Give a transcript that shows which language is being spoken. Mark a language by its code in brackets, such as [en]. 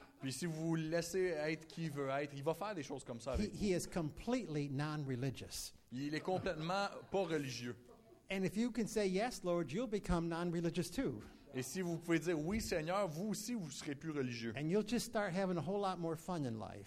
[fr] Puis si vous laissez être qui veut être, il va faire des choses comme ça avec vous. [en] He is completely non-religious. [fr] Il est complètement pas religieux. [en] And if you can say yes, Lord, you'll become non-religious too. [fr] Et si vous pouvez dire oui, Seigneur, vous aussi, vous serez plus religieux. [en] And you'll just start having a whole lot more fun in life.